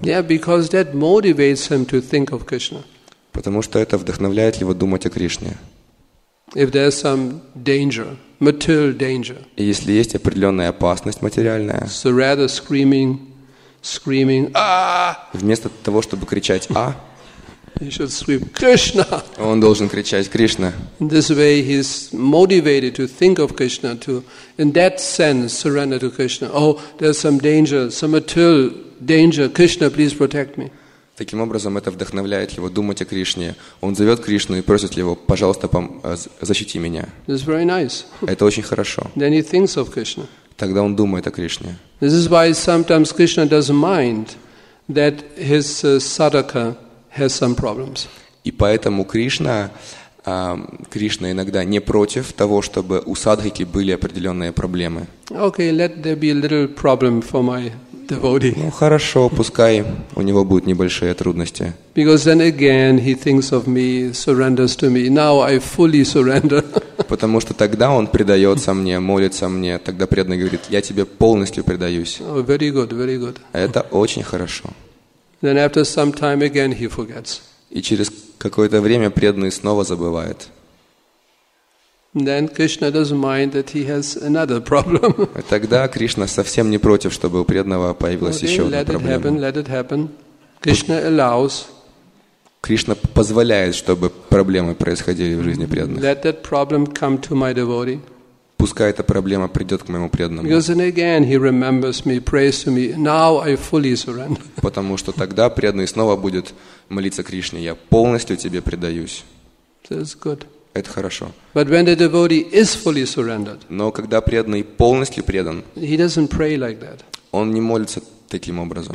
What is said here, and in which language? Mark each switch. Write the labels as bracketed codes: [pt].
[en] Yeah, because that motivates him to think of Krishna. [ru] Потому что это вдохновляет его думать о Кришне. [en] If there's some danger, material danger. [ru] Если есть определенная опасность материальная. [en] So rather screaming, ah! [ru] Вместо того, чтобы кричать «А!», [en] he should scream Krishna. [ru] Он должен кричать Кришна. [en] This way he's motivated to think of Krishna, to in that sense surrender to Krishna. Oh, there's some danger, some material danger. Krishna, please protect me. [ru] Таким образом, это вдохновляет его думать о Кришне. Он зовет Кришну и просит его, пожалуйста, защити меня. [en] This is very nice. [ru] Это очень хорошо. [en] Then he thinks of Krishna. [ru] Тогда он думает о Кришне. [en] This is why sometimes Krishna doesn't mind that his sadhaka has some problems. [ru] И поэтому Кришна иногда не против того, чтобы у садхаки были определенные проблемы. [en] Okay, let there be a little problem for my devotee. [ru] Ну хорошо, пускай у него будут небольшие трудности. [en] Because then again he thinks of me, surrenders to me. Now I fully surrender. [ru] Потому что тогда он предается мне, молится мне. Тогда преданный говорит: я тебе полностью предаюсь. [en] Oh, very good, very good. [ru] Это очень хорошо. [en] Then after some time again he forgets. [ru] И через какое-то время преданный снова забывает. [en] Then Krishna doesn't mind that he has another problem. [ru] Тогда Кришна совсем не против, чтобы у преданного появилась [en] okay, [ru] еще одна проблема. [en] Let it happen. Krishna allows. [ru] Кришна позволяет, чтобы проблемы происходили в жизни преданных. [en] Let that problem come to my devotee. [ru] Пускай эта проблема придет к моему преданному. [en] Because then again he remembers me, prays to me. Now I fully surrender. [ru] Потому что тогда преданный снова будет молиться Кришне: я полностью тебе предаюсь. [en] That's good. [ru] Это хорошо. [en] But when the devotee is fully surrendered, [ru] но когда преданный полностью предан, [en] he doesn't pray like that. [ru] Он не молится таким образом.